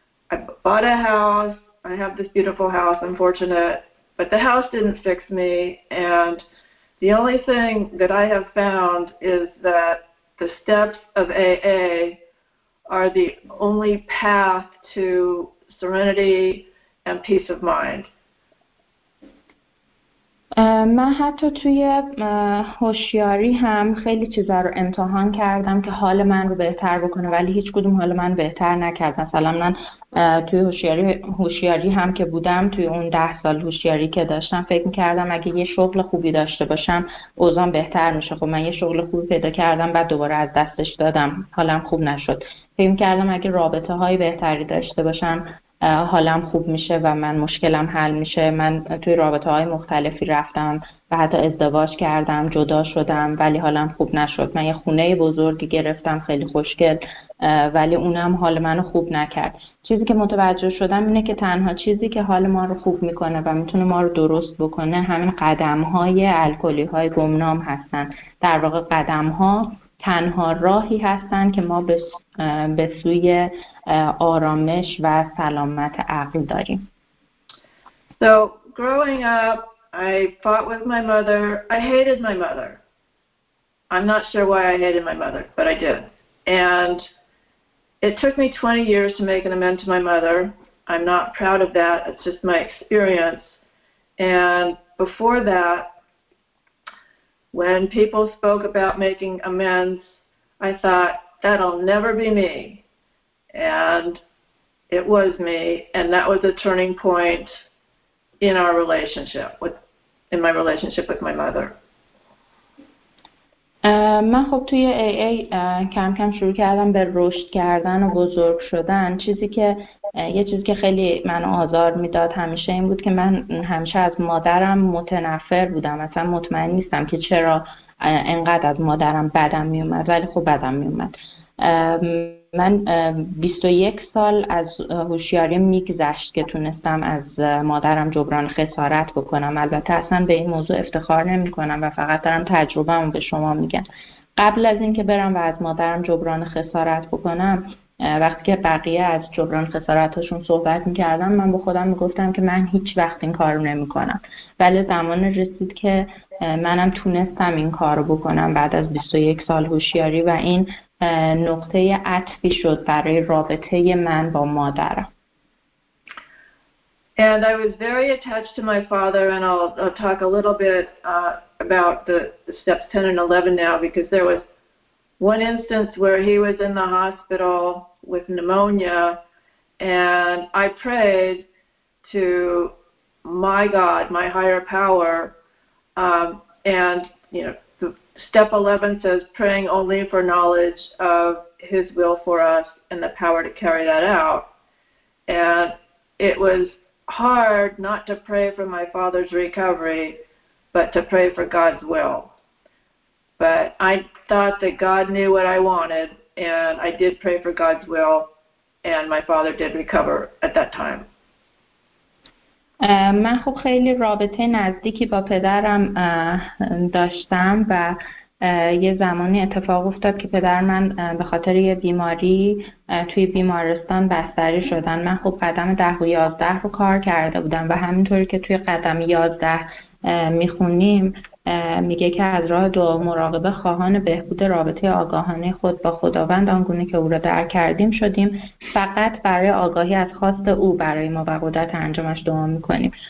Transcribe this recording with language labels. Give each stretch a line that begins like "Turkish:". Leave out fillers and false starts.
English: I bought a house. I have this beautiful house, I'm fortunate, but the house didn't fix me. And the only thing that I have found is that the steps of AA are the only path to serenity and peace of mind.
Persian: من حتی توی هوشیاری هم خیلی چیزا رو امتحان کردم که حال من رو بهتر بکنه، ولی هیچ کدوم حال من بهتر نکرد. مثلا من توی هوشیاری هم که بودم، توی اون 10 سال هوشیاری که داشتم، فکر میکردم اگه یه شغل خوبی داشته باشم اوضاعم بهتر میشه. خب من یه شغل خوبی پیدا کردم، بعد دوباره از دستش دادم، حالم خوب نشد. فکر میکردم اگه رابطه های بهتری داشته باشم حالم خوب میشه و من مشکلم حل میشه. من توی رابطه های مختلفی رفتم و حتی ازدواج کردم، جدا شدم، ولی حالم خوب نشد. من یه خونه بزرگی گرفتم خیلی خوشگل، ولی اونم حال منو خوب نکرد. چیزی که متوجه شدم اینه که تنها چیزی که حال ما رو خوب میکنه و میتونه ما رو درست بکنه همین قدم های الکلی های گمنام هستن. در واقع قدم ها تنها راهی هستن که ما به سوی آرامش و سلامت عقل داریم.
English: So, growing up, I fought with my mother. I hated my mother. I'm not sure why I hated my mother, but I did. And it took me 20 years to make an amend to my mother. I'm not proud of that. It's just my experience. And before that, When people spoke about making amends, I thought, that'll never be me. And it was me, and that was a turning point in our relationship in my relationship with my mother.
Persian: من خب توی AA کم کم شروع کردم به رشد کردن و بزرگ شدن. یه چیزی که خیلی منو آزار میداد همیشه این بود که من همیشه از مادرم متنفر بودم. مثلا مطمئن نیستم که چرا انقدر از مادرم بدم میومد، ولی خب بدم میومد. من 21 سال از هوشیاری میگذشت که تونستم از مادرم جبران خسارت بکنم. البته اصلا به این موضوع افتخار نمی کنم و فقط دارم تجربه‌ام به شما میگم. قبل از اینکه برم و از مادرم جبران خسارت بکنم، وقتی که بقیه از جبران خسارتشون صحبت میکردم، من با خودم میگفتم که من هیچ وقت این کارو نمیکنم. ولی زمان رسید که منم تونستم این کارو بکنم بعد از 21 سال هوشیاری، و این نقطه عطفی شد برای رابطه من با مادرم.
English: And I was very attached to my father, and I'll talk a little bit about the steps 10 and 11 now, because there was one instance where he was in the hospital with pneumonia, and I prayed to my God, my higher power, and, you know, Step 11 says praying only for knowledge of his will for us and the power to carry that out. And it was hard not to pray for my father's recovery, but to pray for God's will. But I thought that God knew what I wanted, and I did pray for God's will, and my father did recover at that time.
Persian: من خب خیلی رابطه نزدیکی با پدرم داشتم و یه زمانی اتفاق افتاد که پدر من به خاطر یه بیماری توی بیمارستان بستری شدن. من خب قدم 10 و 11 رو کار کرده بودم و همینطوری که توی قدم 11 میخونیم، میگه که از راه دعا و مراقبه خواهان بهبود رابطه آگاهانه خود با خداوند آنگونه که او را درک کردیم شدیم، فقط برای آگاهی از خواست او برای ما و قدرت انجامش دعا میکنیم.